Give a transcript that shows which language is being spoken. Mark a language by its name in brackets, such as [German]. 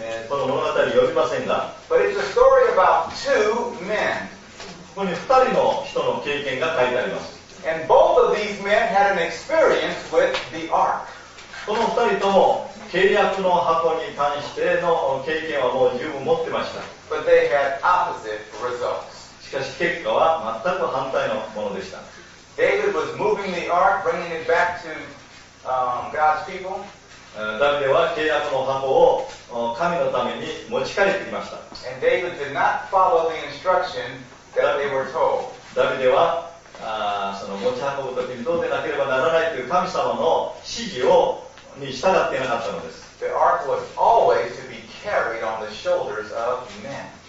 [Japanese] この物語を読みませんが。 [English] But it's a story about two men. [Japanese] ここに二人の人の経験が書いてあります。 [English] And both of these men had an experience with the ark. [Japanese] この二人とも契約の箱に関しての経験はもう十分持ってました。 [English] But they had opposite results. [Japanese] しかし結果は全く反対のものでした。 [English] David was moving the ark, bringing it back to God's people. [Japanese] ダビデは契約の箱を神のために持ち帰ってきました。 [English] And David did not follow the instruction that they were told. [Japanese] ダビデはその持ち運ぶときにどうでなければならないという神様の指示をに従っていなかったのです。 [English] The ark was always to be carried on the shoulders of men.